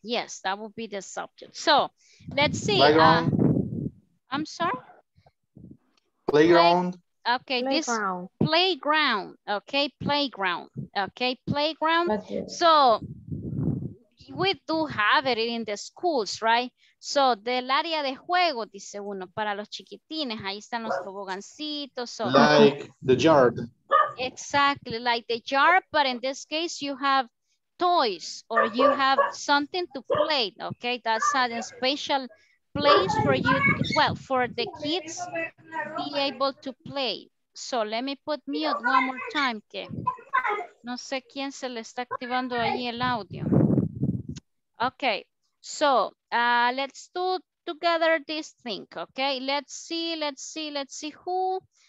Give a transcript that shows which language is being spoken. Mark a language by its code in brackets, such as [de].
[en] Yes, that will be the subject. So let's see. Playground. I'm sorry. Playground. Okay. Playground. This playground. Okay. Playground. Okay. Playground. So we do have it in the schools, right? [es] So del área de juego, dice uno, para los chiquitines. Ahí están los tobogancitos. So. [en] Like the yard. Exactly, like the jar, but in this case you have toys or you have something to play, okay? That's a special place for you, well, for the kids to be able to play. So let me put mute one more time, [es] que no sé quién se le está activando ahí el audio. [en] Okay, so let's do together this thing, okay? Let's see who...